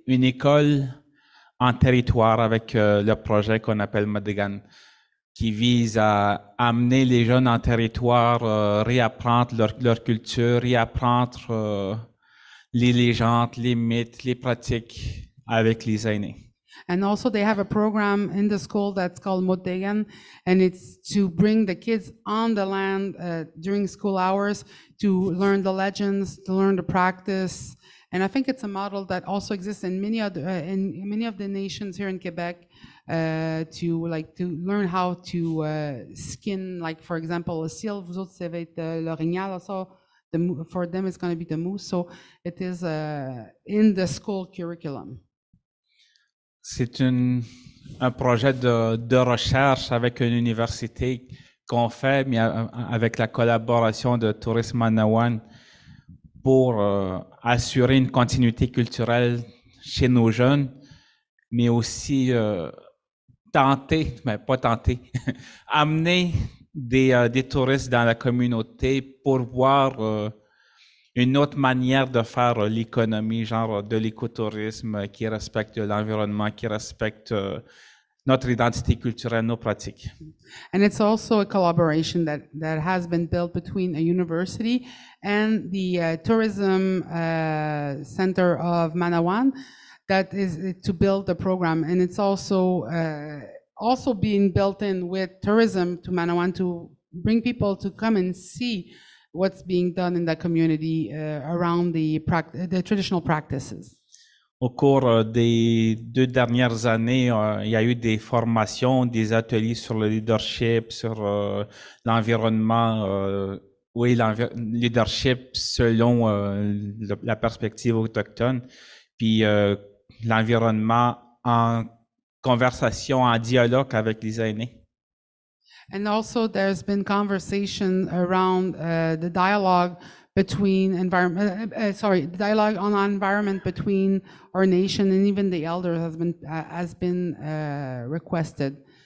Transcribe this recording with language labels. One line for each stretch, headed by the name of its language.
French: une école en territoire avec le projet qu'on appelle Madigan, qui vise à amener les jeunes en territoire, réapprendre leur culture, réapprendre les légendes, les mythes, les pratiques avec les aînés.
English: And also they have a program in the school that's called Modegan, and it's to bring the kids on the land during school hours to learn the legends, to learn the practice. And I think it's a model that also exists in many other in many of the nations here in Quebec to like to learn how to skin, like for example a seal.
French: Vous autres, ça va être l'orignal.
English: Also, for them, it's going to be the moose. So it is in the school curriculum.
French: C'est un projet de recherche avec une université qu'on fait, mais avec la collaboration de Tourisme Manawan, pour assurer une continuité culturelle chez nos jeunes, mais aussi amener des touristes dans la communauté pour voir une autre manière de faire l'économie, genre de l'écotourisme qui respecte l'environnement, qui respecte notre identité culturelle, nos pratiques.
English: And it's also a collaboration that has been built between a university and the tourism center of Manawan that is to build the program. And it's also also being built in with tourism to Manawan to bring people to come and see what's being done in that community around the traditional practices.
French: Au cours des deux dernières années, il y a eu des formations, des ateliers sur le leadership, sur l'environnement, leadership selon la perspective autochtone, puis l'environnement en conversation, en dialogue avec les aînés.
English: And also there's been conversation around the dialogue between dialogue on environment between our nation and even the elders has been requested.